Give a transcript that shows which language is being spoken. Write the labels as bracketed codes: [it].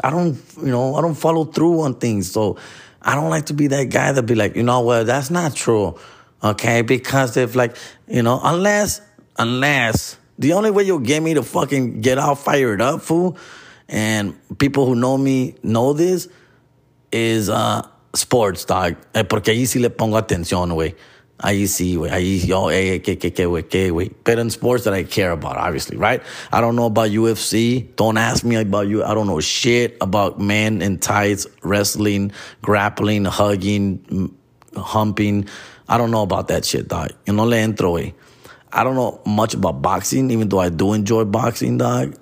[en] I don't follow through on things. So I don't like to be that guy that be like, you know, well, that's not true. Okay. Because if like, you know, unless the only way you'll get me to fucking get all fired up, fool, and people who know me know this is, sports, dog. [es] Porque ahí sí le pongo atención, güey. Ahí sí, güey. Ahí sí, yo, güey. [en] But in sports that I care about, obviously, right? I don't know about UFC. Don't ask me about you. I don't know shit about men in tights, wrestling, grappling, hugging, humping. I don't know about that shit, dog. You know, [es] le entro, güey. [en] I don't know much about boxing, even though I do enjoy boxing, dog.